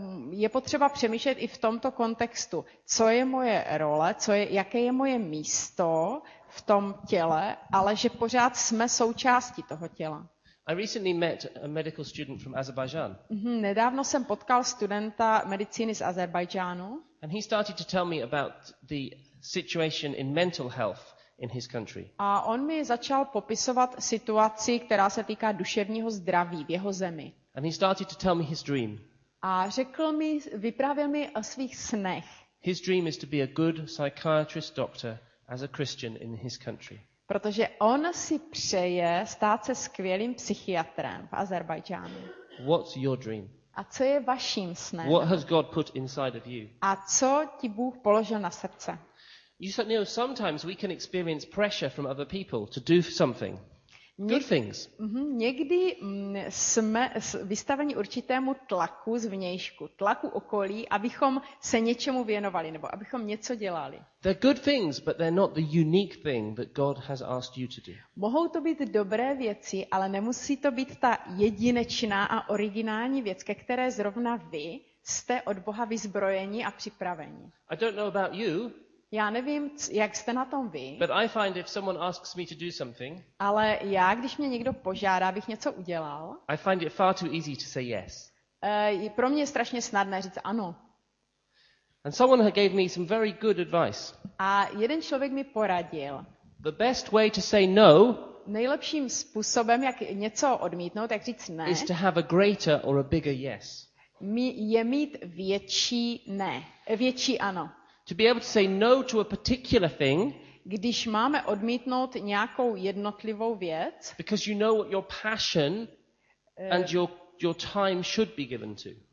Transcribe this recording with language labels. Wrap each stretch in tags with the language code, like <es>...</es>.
<cs>Je potřeba přemýšlet i v tomto kontextu, co je moje role, jaké je moje místo v tom těle, ale že pořád jsme součástí toho těla.</cs> <en>I recently met a medical student from Azerbaijan.</en> <cs>Nedávno jsem potkal studenta medicíny z Azerbajdžánu.</cs> <en>And he started to tell me about the situation in mental health in his country.</en> <cs>A on mi začal popisovat situaci, která se týká duševního zdraví v jeho zemi.</cs> <en>And he started to tell me his dream.</en> <cs>A řekl mi, vyprávěl mi o svých snech.</cs> <en>His dream is to be a good psychiatrist doctor as a Christian in his country.</en> <cs>Protože on si přeje stát se skvělým psychiatrem v Azerbajdžánu.</cs> <en>What's your dream?</en> <cs>A co je vaším snem?</cs> <en>What has God put inside of you?</en> <cs>A co ti Bůh položil na srdce?</cs> <en>You know, sometimes we can experience pressure from other people to do something. Good things.</en> <cs>Někdy jsme vystaveni určitému tlaku zvnějšku, tlaku okolí, abychom se něčemu věnovali nebo abychom něco dělali.</cs> <en>They're good things, but they're not the unique thing that God has asked you to do.</en> <cs>Mohou to být dobré věci, ale nemusí to být ta jedinečná a originální věc, ke které zrovna vy jste od Boha vyzbrojeni a připraveni.</cs> <en>I don't know about you.</en> <cs>Já nevím, jak jste na tom vy.</cs> <en>But I find if someone asks me to do something.</en> <cs>Ale já, když mě někdo požádá, abych něco udělal.</cs> <en>I find it far too easy to say yes.</en> <cs>Pro mě je strašně snadné říct ano.</cs> <en>And someone gave me some very good advice.</en> <cs>A jeden člověk mi poradil.</cs> <en>The best way to say no.</en> <cs>Nejlepším způsobem, jak něco odmítnout, jak říct ne.</cs> <en>Is to have a greater or a bigger yes.</en> <cs>Je mít větší ne, větší ano.</cs> <en>To be able to say no to a particular thing,</en> <cs>když máme odmítnout nějakou jednotlivou věc,</cs> <en>because you know what your passion and your time should be given to.</en>